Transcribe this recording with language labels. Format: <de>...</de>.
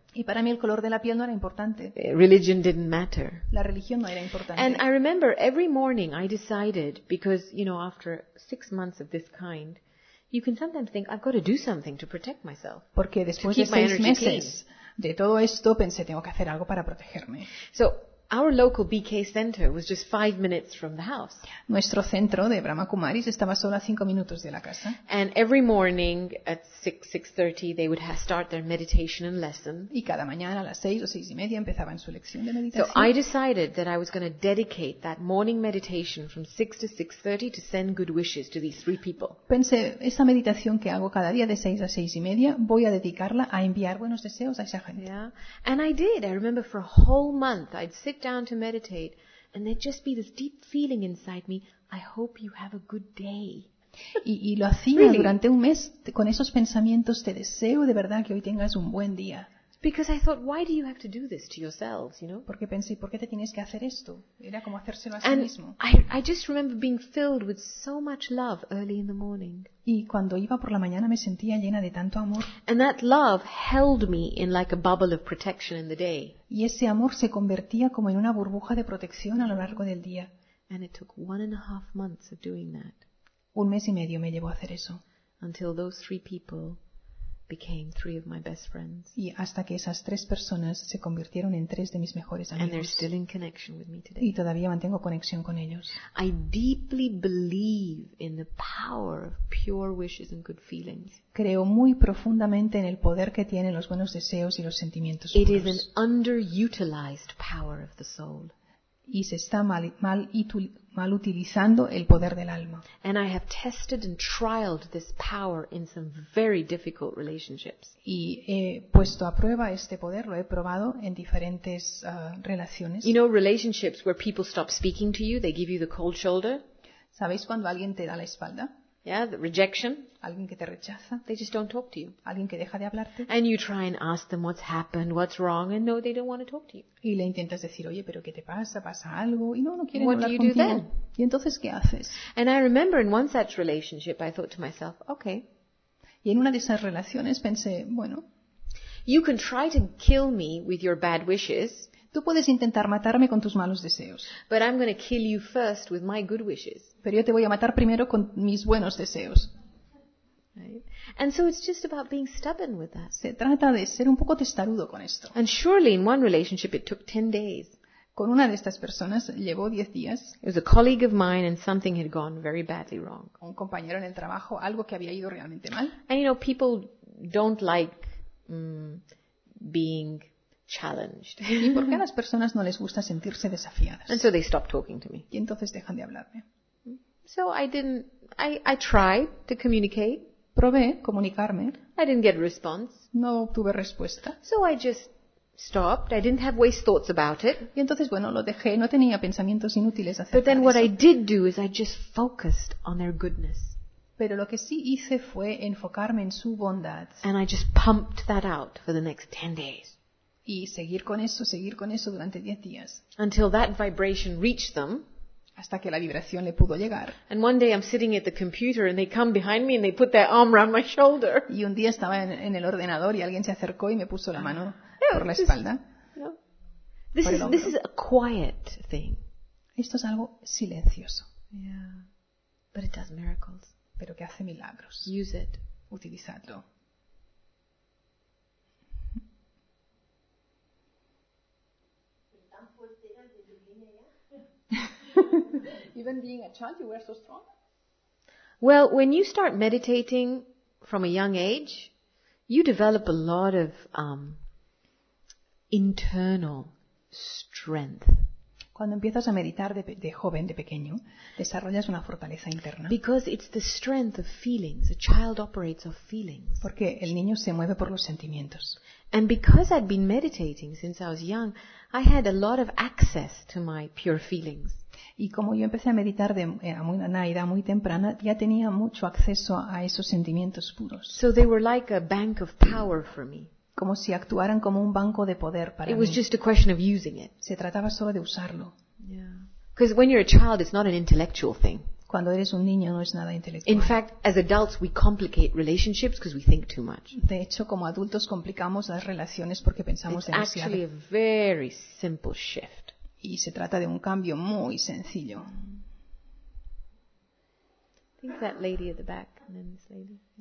<es>Y para mí el color de la piel no era importante.</es> <en>Religion didn't matter.</en> <es>La religión no era importante.</es> <en>And I remember every morning I decided, because, you know, after 6 months of this kind, you can sometimes think, I've got to do something to protect myself.</en> <es>Porque después de 6 meses de todo esto, pensé, tengo que hacer algo para protegerme.</es> <en>So, our local BK center was just 5 minutes from the house.</en> <es>Nuestro centro de Brahma Kumaris estaba solo a 5 minutos de la casa.</es> <en>And every morning at 6:30 they would start their meditation and lesson.</en> <es>Y cada mañana a las 6 o 6:30 empezaban su lección de meditación.</es> <en>So I decided that I was going to dedicate that morning meditation from 6 to 6:30 to send good wishes to these 3 people.</en> <es>Pensé, esa meditación que hago cada día de 6 a 6:30 voy a dedicarla a enviar buenos deseos a esa gente.</es> <en>Yeah. And I did. I remember for a whole month I'd sit down to meditate and there'd just be this deep feeling inside me, I hope you have a good day.</en> <es>Y lo hacía</es> <en>really?</en> <es>Durante un mes con esos pensamientos, te deseo de verdad que hoy tengas un buen día.</es> <en>Because I thought, why do you have to do this to yourselves, you know?</en> <es>Porque pensé, ¿por qué te tienes que hacer esto? Era como hacérselo a</es> <en>and</en> <es>sí mismo.</es> <en>I just remember being filled with so much love early in the morning.</en> <es>Y cuando iba por la mañana me sentía llena de tanto amor.</es> <en>And that love held me in like a bubble of protection in the day.</en> <es>Y ese amor se convertía como en una burbuja de protección a lo largo del día.</es> <en>And it took 1.5 months of doing that.</en> <es>Un mes y medio me llevó a hacer eso.</es> <en>Until those 3 people became 3 of my best friends.</en> <es>Y hasta que esas 3 personas se convirtieron en 3 de mis mejores amigos.</es> <en>And they're still in connection with me today.</en> <es>Y todavía mantengo conexión con ellos.</es> <en>I deeply believe in the power of pure wishes and good feelings.</en> <es>Creo muy profundamente en el poder que tienen los buenos deseos y los sentimientos</es> <en>puros. It is an underutilized power of the soul.</en> <es>Y se está mal utilizando el poder del alma.</es> <en>And I have tested and trialed this power in some very difficult relationships.</en> <es>Y he puesto a prueba este poder, lo he probado en diferentes relaciones.</es> <en>You know, relationships where people stop speaking to you, they give you the cold shoulder.</en> <es>¿Sabéis cuando alguien te da la espalda?</es> <en>Yeah, the rejection.</en> <es>Alguien que te rechaza.</es> <en>They just don't talk to you.</en> <es>Alguien que deja de hablarte.</es> <en>And you try and ask them what's happened, what's wrong, and no, they don't want to talk to you.</en> <es>Y le intentas decir, oye, pero ¿qué te pasa? ¿Pasa algo? Y no quieren hablar contigo.</es> <en>What do you do then?</en> <es>¿Y entonces qué haces?</es> <en>And I remember in one such relationship, I thought to myself, okay.</en> <es>Y en una de esas relaciones pensé, bueno.</es> <en>You can try to kill me with your bad wishes.</en> <es>Tú puedes intentar matarme con tus malos deseos.</es> <en>But I'm going to kill you first with my good wishes.</en> <es>Pero yo te voy a matar primero con mis buenos deseos.</es> <en>Right? And so it's just about being stubborn with that.</en> <es>Se trata de ser un poco testarudo con esto.</es> <en>And surely in one relationship it took 10 days.</en> <es>Con una de estas personas llevó 10 días.</es> <en>It was a colleague of mine and something had gone very badly wrong.</en> <es>Un compañero en el trabajo, algo que había ido realmente mal.</es> <en>And you know, people don't like being challenged.</en> <es>¿Y por qué a las personas no les gusta sentirse desafiadas?</es> <en>And so they stopped talking to me.</en> <es>Y entonces dejan de hablarme.</es> <en>So I tried to communicate.</en> <es>Probé comunicarme.</es> <en>I didn't get a response.</en> <es>No obtuve respuesta.</es> <en>So I just stopped. I didn't have waste thoughts about it.</en> <es>Y entonces, bueno, lo dejé. No tenía pensamientos inútiles acerca de</es> <en>eso. But then what</en> <es>eso.</es> <en>I did do is I just focused on their goodness.</en> <es>Pero lo que sí hice fue enfocarme en su bondad.</es> <en>And I just pumped that out for the next 10 days.</en> <es>Y seguir con eso durante 10 días.</es> <en>Until that vibration reached them.</en> <es>Hasta que la vibración le pudo llegar.</es> <en>And one day I'm sitting at the computer and they come behind me and they put their arm around my shoulder.</en> <es>Y un día estaba en el ordenador y alguien se acercó y me puso la mano por la espalda.</es> <en>This is a quiet thing.</en> <es>Esto es algo silencioso.</es> <en>Yeah. But it does miracles.</en> <es>Pero que hace milagros.</es> <en>Use it.</en> <es>Utilizadlo.</es> <en>Even being a child, you were so strong. Well, when you start meditating from a young age, you develop a lot of internal strength.</en> <es>Cuando empiezas a meditar de joven, de pequeño, desarrollas una fortaleza interna.</es> <en>Because it's the strength of feelings. A child operates off feelings.</en> <es>Porque el niño se mueve por los sentimientos.</es> <en>And because I'd been meditating since I was young, I had a lot of access to my pure feelings.</en> <es>Y como yo empecé a meditar a una edad muy temprana, ya tenía mucho acceso a esos sentimientos puros.</es> <en>So they were like a bank of power for me.</en> <es>Como si actuaran como un banco de poder para</es> <en>it was</en> <es>mí.</es> <en>Just a question of using it.</en> <es>Se trataba solo de usarlo.</es> <en>Because when you're a child, it's not an intellectual thing.</en> <es>Cuando eres un niño no es nada intelectual.</es> <en>In fact, as adults we complicate relationships because we think too much.</en> <es>De hecho, como adultos complicamos las relaciones porque pensamos demasiado.</es> <en>It's actually a very simple shift.</en> <es>Y se trata de un cambio muy sencillo.</es> <en>I think that lady at the back, and then this lady.</en>